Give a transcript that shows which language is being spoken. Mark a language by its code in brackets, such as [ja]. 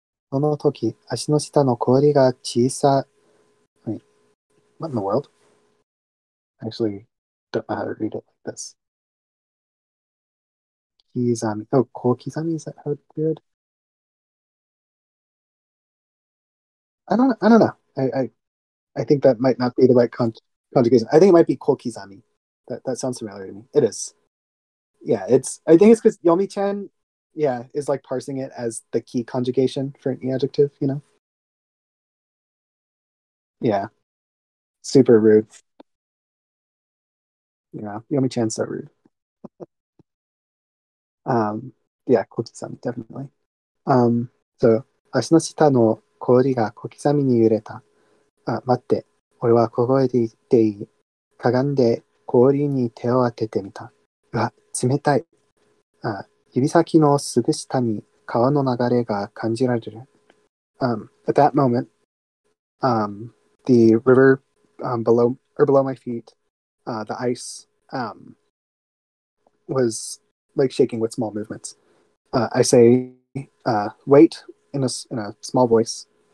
[ja] その時、足の下の氷が小さ。 [en] What in the world? Actually, don't know how to read it like this. 刻み。Oh, 小刻み is that how it's weird? I don't know. I think that might not be the right conjugation. I think it might be 小刻み。That sounds familiar to me. It is. Yeah, it's. I think it's because Yomi-chan, yeah, is like parsing it as the key conjugation for any adjective, you know? Yeah. Super rude. Yeah, Yomi-chan's so rude. yeah, 小刻み, definitely. So, [ja] 足の下の氷が小刻みに揺れた。待って、俺は凍えていっていい。かがんで氷に手を当ててみた。うわ、冷たい。指先のすぐ下に川の流れが感じられる。 [en] At that moment, the river below my feet, the ice was like shaking with small movements. I say, wait, in a small voice.